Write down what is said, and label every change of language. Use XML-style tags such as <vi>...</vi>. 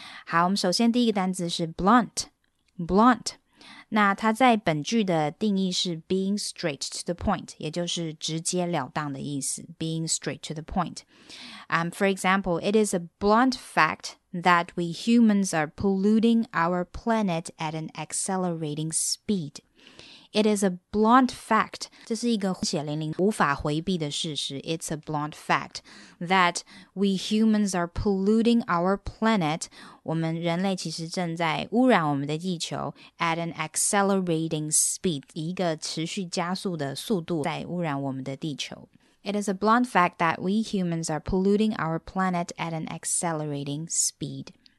<zh>好，我们首先第一个单字是 blunt. 那它在本句的定义是</zh> <en>being straight to the point,</en> <zh>也就是直接了当的意思， being straight to the point.</zh> <en>For example, it is a blunt fact. That we humans are polluting our planet at an accelerating speed. It is a blunt fact.</en> <zh>这是一个血淋淋无法回避的事实。</zh> <en>It's a blunt fact that we humans are polluting our planet.</en> <zh>我们人类其实正在污染我们的地球</zh> <en>at an accelerating speed.</en> <zh>一个持续加速的速度在污染我们的地球。</zh> <en>It is a blunt fact that we humans are polluting our planet at an accelerating speed.</en>